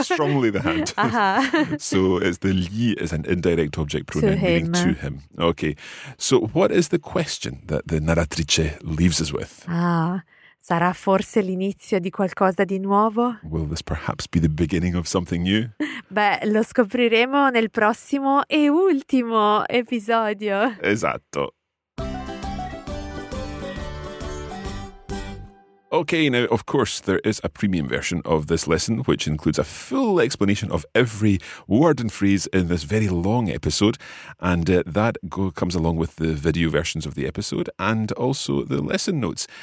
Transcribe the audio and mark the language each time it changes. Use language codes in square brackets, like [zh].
[en] Strongly the hand. Uh-huh. So it's the gli is an indirect object pronoun to meaning to him. Okay. So what is the question that the narratrice leaves us with? [it] Sarà forse l'inizio di qualcosa di nuovo? [en] Will this perhaps be the beginning of something new? [it] Beh, lo scopriremo nel prossimo e ultimo episodio. Esatto. [en] Okay, now, of course, there is a premium version of this lesson, which includes a full explanation of every word and phrase in this very long episode. And comes along with the video versions of the episode and also the lesson notes.